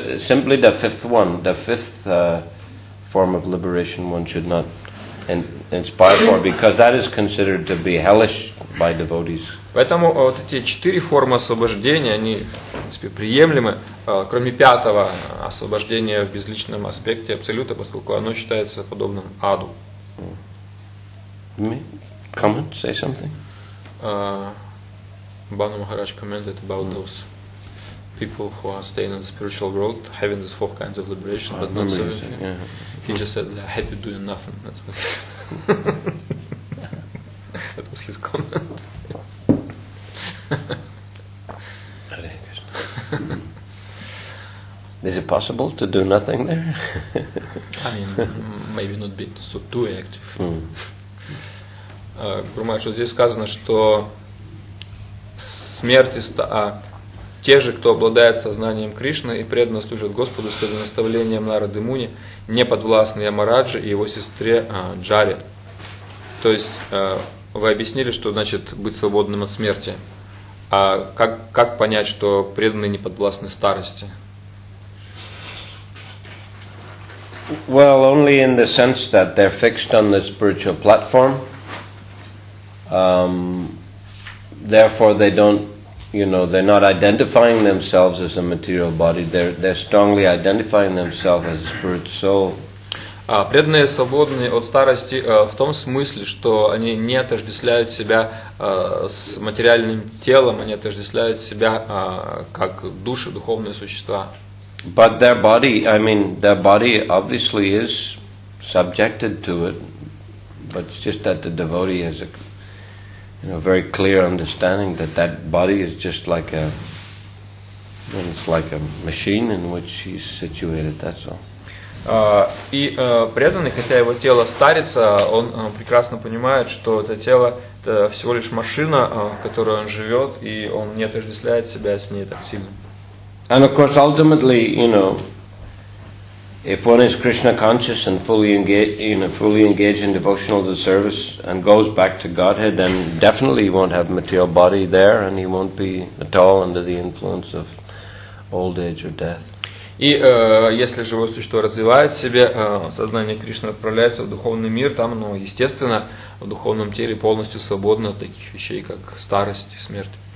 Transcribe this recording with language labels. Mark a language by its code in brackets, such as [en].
[en] Simply the fifth one, the fifth form of liberation one should not inspire for, because that is considered to be hellish by devotees. [ru] Поэтому вот эти четыре формы освобождения, они, в принципе, приемлемы, кроме пятого, освобождение в безличном аспекте Абсолюта, поскольку оно считается подобным аду. [en] Comment, say something. Бану Махарадж commented about those people who are staying in the spiritual world, having these four kinds of liberation, but not serving. He just said, they're happy doing nothing. That's what he said. That was his comment. Hare Krishna. Is it possible to do nothing there? I mean, maybe not be so too active. [ru] Гурмач, вот здесь сказано, что смерть и те же, кто обладает сознанием Кришны и преданно служит Господу с наставлением Нарады Муни, не подвластны Ямараджи и его сестре Джаре. То есть вы объяснили, что значит быть свободным от смерти. А как понять, что преданные не подвластны старости? [en] Well, only in the sense that they're fixed on the spiritual platform. Therefore, they don't, you know, they're not identifying themselves as a material body. They're strongly identifying themselves as a spirit soul. [ru] Преданные свободны от старости в том смысле, что они не отождествляют себя с материальным телом, они отождествляют себя как души, духовные существа. [en] But their body, I mean, their body obviously is subjected to it, but it's just that the devotee has a, you know, very clear understanding that that body is just like a, it's like a machine in which he's situated, that's all. [ru] И преданный, хотя его тело старится, он прекрасно понимает, что это тело – это всего лишь машина, в которой он живет, и он не отождествляет себя с ней так сильно. [en] And of course, ultimately, you know, if one is Krishna conscious and fully engaged, you know, fully engaged in devotional service and goes back to Godhead, then definitely he won't have material body there, and he won't be at all under the influence of old age or death. [ru] И если живое существо развивает в себе сознание Кришны, отправляется в духовный мир, там оно, естественно, в духовном теле полностью свободно от таких вещей, как старость и смерть.